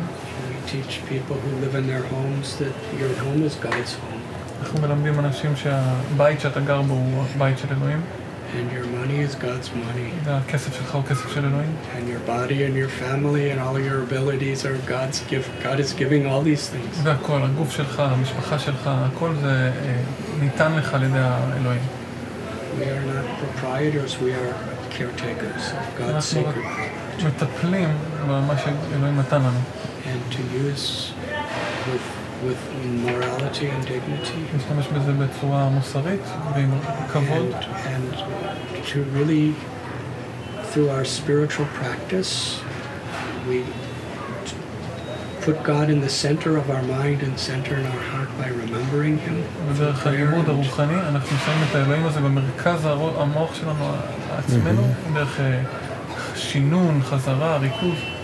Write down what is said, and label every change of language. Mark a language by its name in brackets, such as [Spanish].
[English] We teach people who live in their homes that your home is God's home. [Hebrew] אנחנו מלמדים אנשים שהבית שאתה גר בו הוא הבית של אלוהים. [English] And your money is God's money. [Hebrew] והכסף שלך הוא כסף של אלוהים. [English] And your body and your family and all your abilities are God's gift. God is giving all these things. [Hebrew] והכל, הגוף שלך, המשפחה שלך, הכל זה ניתן לך על ידי האלוהים. [English] We are not proprietors, we are caretakers of God's sacred gift. [Hebrew] מטפלים במה שאלוהים נתן לנו. [English] And to use with morality and dignity. [Hebrew] להשתמש בזה בצורה מוסרית ועם כבוד. [English] And to really, through our spiritual practice, we put God in the center of our mind and center in our heart by remembering him. [Hebrew] בדרך הלימוד הרוחני אנחנו שמים את האלוהים הזה במרכז המוח שלנו עצמנו, דרך שינון, חזרה, ריכוז.